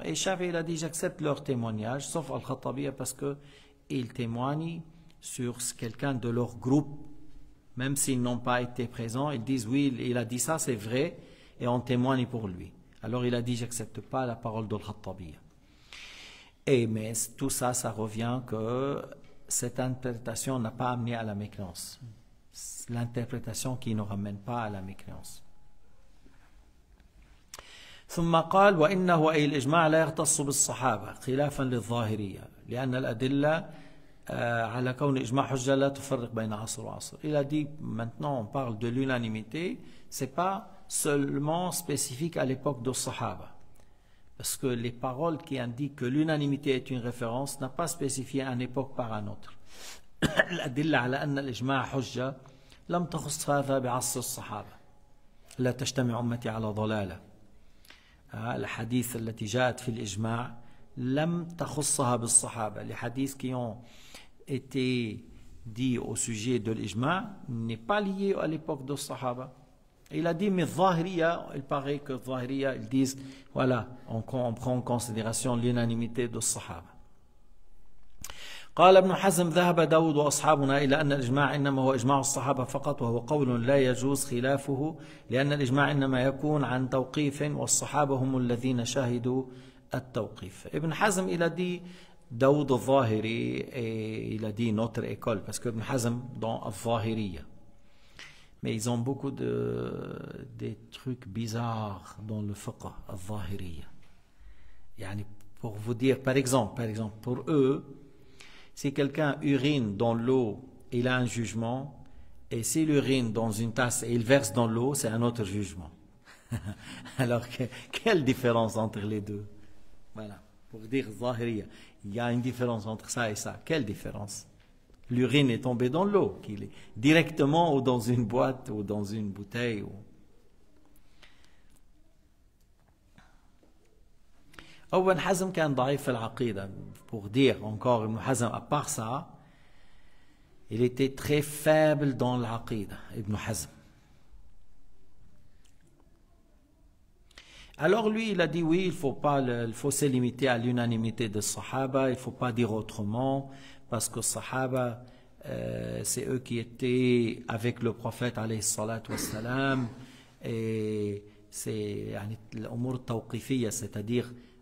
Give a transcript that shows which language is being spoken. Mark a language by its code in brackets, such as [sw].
[fr] Et Shafi'i, il a dit, j'accepte leur témoignage, sauf le Khattabiyya, parce que ils témoignent sur quelqu'un de leur groupe, même s'ils n'ont pas été présents, ils disent oui, il a dit ça, c'est vrai, et on témoigne pour lui. Alors il a dit, j'accepte pas la parole de l'Khattabiyya. Et mais tout ça, ça revient que cette interprétation n'a pas amené à la mécréance. L'interprétation qui ne ramène pas à la mécréance. [ar] ثم قال وإنه أي الإجماع لا يختص بالصحابة خلافا للظاهرية لأن الأدلة على كون إجماع حجة لا تفرق بين عصر وعصر. [fr] Il a dit maintenant on parle de l'unanimité, c'est pas seulement spécifique à l'époque de Sahaba. Parce que les paroles qui indiquent que l'unanimité est une référence n'a pas spécifié une époque par une autre. [ar] الأدلة على أن الإجماع حجة لم تخص هذا بعصر الصحابة. لا تجتمع أمتي على ضلالة. الحديث التي جاءت في الإجماع لم تخصها بالصحابة الحديث [fr] qui ont été dit au sujet de l'إجماع n'est pas lié à l'époque de الصحابة. Il a dit mais الظاهرية il paraît que الظاهرية ils disent voilà on prend en considération l'unanimité de الصحابة. [ar] قال ابن حزم ذهب داود وأصحابنا إلى أن الإجماع إنما هو إجماع الصحابة فقط وهو قول لا يجوز خلافه لأن الإجماع إنما يكون عن توقيف والصحابة هم الذين شهدوا التوقيف. [fr] ابن حزم إلى دي داود الظاهري إلى دي نوتر إيكول بس ابن حزم دون الظاهرية. Mais ils ont beaucoup de trucs bizarres dans le fiqh الظاهرية. يعني pour vous dire par exemple pour eux si quelqu'un urine dans l'eau, il a un jugement. Et s'il urine dans une tasse et il verse dans l'eau, c'est un autre jugement. Alors, quelle différence entre les deux? Voilà, pour dire Zahiriya, il y a une différence entre ça et ça. Quelle différence? L'urine est tombée dans l'eau, qu'il est directement ou dans une boîte ou dans une bouteille. Ou... [ar] Ibn Hazm كان ضعيف العقيدة. [fr] Pour dire encore Ibn Hazm, à part ça, il était très faible dans l'aqida, Ibn Hazm. Alors lui, il a dit oui, il faut se limiter à l'unanimité des Sahaba, il ne faut pas dire autrement, parce que Sahaba, c'est eux qui étaient avec le prophète, alayhi salat wa salam, et c'est l'umur tawqifiyya, c'est-à-dire.